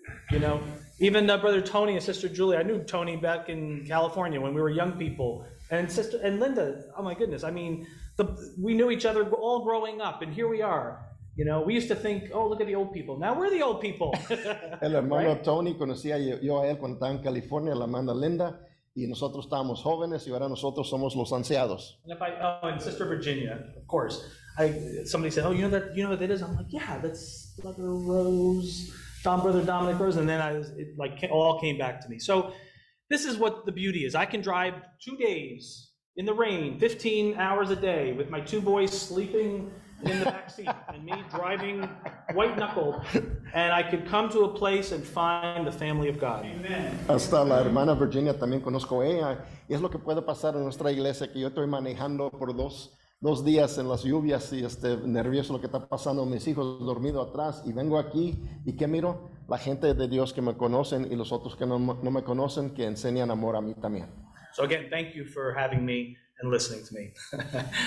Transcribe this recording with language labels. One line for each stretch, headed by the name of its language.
English: You know, even Brother Tony and Sister Julie, I knew Tony back in California when we were young people. And Sister and Linda, oh my goodness, I mean, we knew each other all growing up, and here we are. You know, we used to think, oh, look at the old people. Now we're the old people.
Spanish: El hermano right? Tony conocía yo a él cuando estaba en California, la hermana Linda, y nosotros estábamos jóvenes, y ahora nosotros somos los ancianos.
English: And Sister Virginia, of course. Somebody said, oh, you know that is? I'm like, yeah, that's Brother Rose, Brother Dominic Rose. And then it all came back to me. So this is what the beauty is. I can drive 2 days in the rain, 15 hours a day, with my two boys sleeping in the back seat and me driving white knuckled, and I could come to a place and find the family of God.
Spanish: Amen. Hasta la hermana Virginia también conozco ella. Y es lo que puede pasar en nuestra iglesia, que yo estoy manejando por dos días en las lluvias y nervioso lo que está pasando, mis hijos dormidos atrás, y vengo aquí y ¿qué miro? La gente de Dios que me conocen y los otros que no me conocen, que enseñan amor a mí también.
English: So again, thank you for having me and listening to me.